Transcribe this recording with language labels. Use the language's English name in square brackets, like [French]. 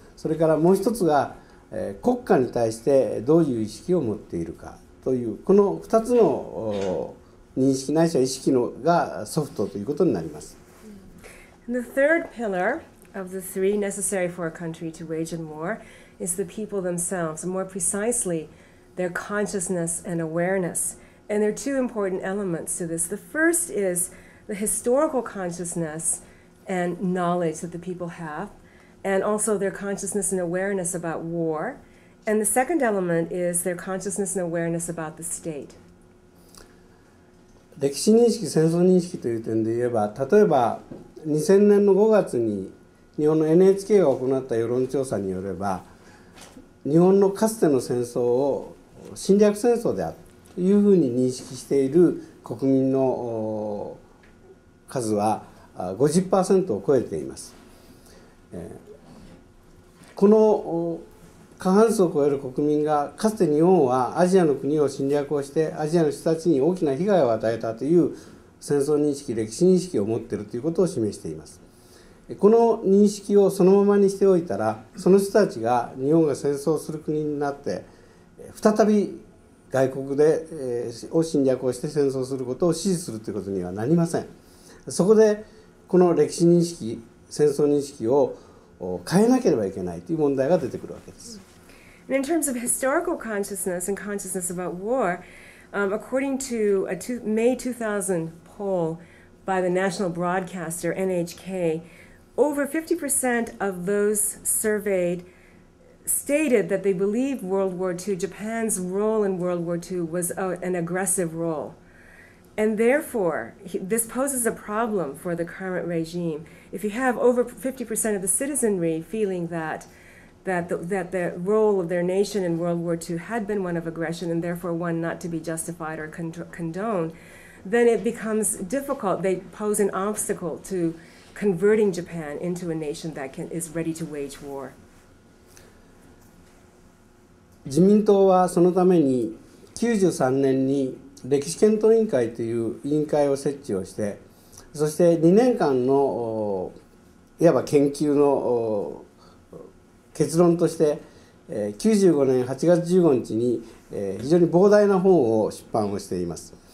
[Japanese] それからもう1つが国家に対してどういう意識を持っているかという、この2つの認識ないしは意識のがソフトということになります。 [English] The third pillar of the three necessary for a country to wage a war is the people themselves, more precisely their consciousness and awareness. And there are two important elements to this. The first is the historical consciousness and knowledge that the people haveand also their consciousness and awareness about war. And the second element is their consciousness and awareness about the state. [Japanese] 歴史認識、戦争認識という点で言えば、例えば2000年の5月に日本の NHK が行った世論調査によれば、日本のかつての戦争を侵略戦争であるというふうに認識している国民の数は 50% を超えています。この過半数を超える国民がかつて日本はアジアの国を侵略をしてアジアの人たちに大きな被害を与えたという戦争認識、歴史認識を持っているということを示しています。この認識をそのままにしておいたら、その人たちが日本が戦争する国になって再び外国で、を侵略をして戦争することを支持するということにはなりません。そこでこの歴史認識、戦争認識を変えなければいけないという問題が出てくるわけです。 [English] And in terms of historical consciousness and consciousness about war, according to a May 2000 poll by the national broadcaster NHK, over 50% of those surveyed stated that they believed World War II, Japan's role in World War II, was an aggressive role. And therefore, this poses a problem for the current regime. If you have over 50% of the citizenry feeling that that the role of their nation in World War II had been one of aggression and therefore one not to be justified or condoned, then it becomes difficult. They pose an obstacle to converting Japan into a nation that is ready to wage war. [Japanese] 自民党はそのために93年に歴史検討委員会という委員会を設置をして、そして2年間のいわば研究の結論として95年8月15日に非常に膨大な本を出版をしています。